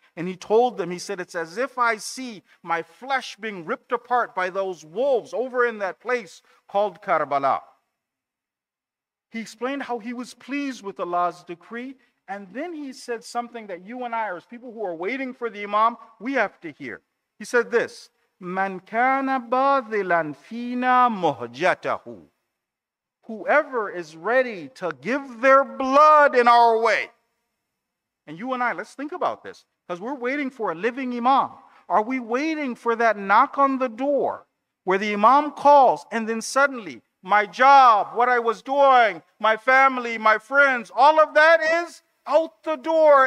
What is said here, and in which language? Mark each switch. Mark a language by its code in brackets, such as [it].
[en] And he told them, he said, it's as if I see my flesh being ripped apart by those wolves over in that place called Karbala. He explained how he was pleased with Allah's decree. And then he said something that you and I, as people who are waiting for the Imam, we have to hear. He said this, [ar] مَنْ كَانَ بَاذِلًا فِينَا مُهْجَتَهُ. [en] Whoever is ready to give their blood in our way. And you and I, let's think about this. Because we're waiting for a living Imam. Are we waiting for that knock on the door where the Imam calls and then suddenly my job, what I was doing, my family, my friends, all of that is out the door.